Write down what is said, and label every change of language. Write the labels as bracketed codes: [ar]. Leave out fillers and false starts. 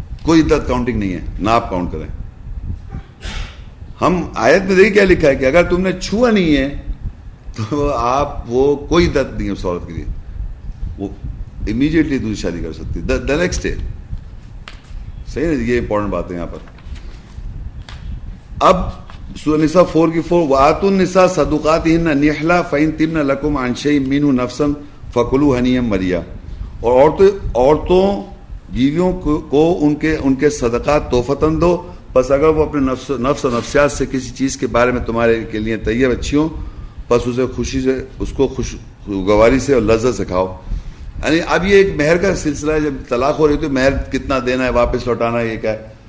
[ur] کوئی عدت کاؤنٹنگ نہیں ہے, نہ آپ کاؤنٹ کریں. ہم آیت میں دیکھیے کیا لکھا ہے کہ اگر تم نے چھوا نہیں ہے تو آپ وہ کوئی عدت نہیں ہے اس عورت کے لیے, وہ امیجیٹلی دوسری شادی کر سکتی ہے [en] The next day. [ur] صحیح نا, یہ امپورٹنٹ بات ہے یہاں پر. اب سورہ نساء [ar] 4:4 وآتوا النساء صدقاتهن نحلة فإن طبن لكم عن شيء منه نفسا فكلوا هنيئا مريئا. [ur] اور عورتوں بیویوں کو ان کے صدقات تحفتاً دو, بس اگر وہ اپنے نفس و نفسیات سے کسی چیز کے بارے میں تمہارے کے لیے طیب اچھی ہوں بس اسے خوشی سے, اس کو خوشگواری سے اور لذت سے کھاؤ. یعنی اب یہ ایک مہر کا سلسلہ ہے, جب طلاق ہو رہی تو مہر کتنا دینا ہے, واپس لوٹانا ہے, یہ کیا ہے.